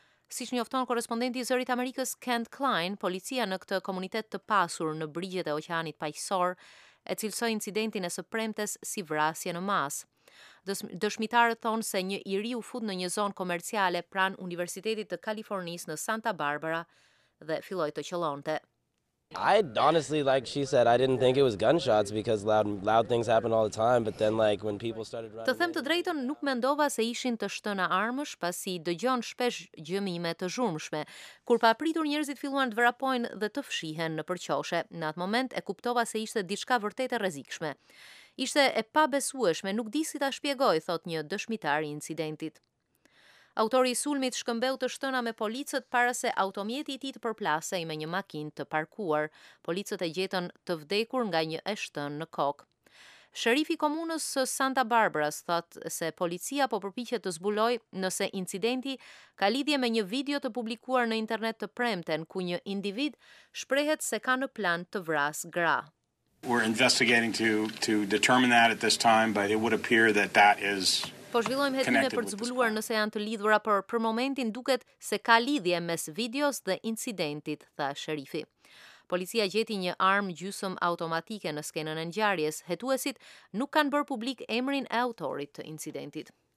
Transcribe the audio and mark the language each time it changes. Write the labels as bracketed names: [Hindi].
[Albanian] Siç njofton korrespondenti i zërit Amerikës Kent Klein, policia në këtë komunitet të pasur në brigjet e oqeanit paqësor e cilësoi incidentin e së premtes si vrasje në masë. Dëshmitarët thonë se një iri u fut në një zonë komerciale pranë Universitetit të Kalifornisë në Santa Barbara dhe filloi të qëllonte. [English] I honestly, like she said, I didn't think it was gunshots because loud things happen all the time, but then like when people started running. [Albanian] Të them të drejtën, nuk mendova se ishin të shtëna armësh, pasi dëgjon shpesh gjëmime të zhurmshme. Kur papritur njerëzit filluan të vrapojnë dhe të fshihen nëpër qoshe, në atë moment e kuptova se ishte diçka vërtet e rrezikshme. Ishte e pabesueshme, nuk di si ta shpjegoj, thot një dëshmitar i incidentit. Autori i sulmit shkëmbeu të shtëna me policët para se automjeti i tij të përplasej me një makinë të parkuar. Policët e gjetën të vdekur nga një e shtënë në kokë. Sherifi i komunës së Santa Barbaras thotë se policia po përpiqet të zbulojë nëse incidenti ka lidhje me një video të publikuar në internet të premten ku një individ shprehet se ka në plan të vrasë gra. [English] We're investigating to determine that at this time, but it would appear that that is. [Albanian] Po zhvillojmë hetime për të zbuluar nëse janë të lidhura, për momentin duket se ka lidhje mes videos dhe incidentit, tha sherifi. Policia gjeti një armë gjysmë automatike në skenën e ngjarjes. Hetuesit nuk kanë bërë publik emrin e autorit të incidentit.